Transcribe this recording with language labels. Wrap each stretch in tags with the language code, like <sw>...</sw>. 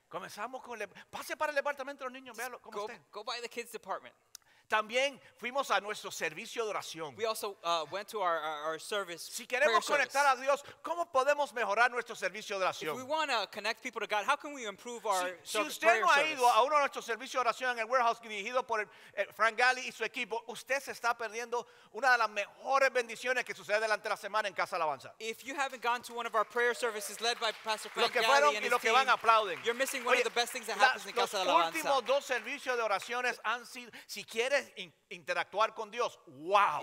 <es>Comenzamos con, pase para el departamento de los niños, véalo, ¿cómo está?</es> <en>Go by the kids department.</en> <es>También fuimos a nuestro servicio de oración.</es> <en>We also went to our service.</en> <es>Si queremos conectar a Dios, ¿cómo podemos mejorar nuestro servicio de oración?</es> <en>If we want to connect people to God, how can we improve our prayer service?</en> <es>Si usted no ha ido a uno de nuestros servicios de oración en el warehouse dirigido por Frank Galli y su equipo, usted se está perdiendo una de las mejores bendiciones que sucede durante la semana en Casa Alabanza.</es> <en>If you haven't gone to one of our prayer services led by Pastor Frank</en> <es>Galli</es> <en>and his team,</en> <es>los que van aplauden.</es> <en>You're missing one of the best things that happens in Casa Alabanza.</en> <es>Los últimos dos servicios de oraciones han sido, si quieres interactuar con Dios, wow.</es>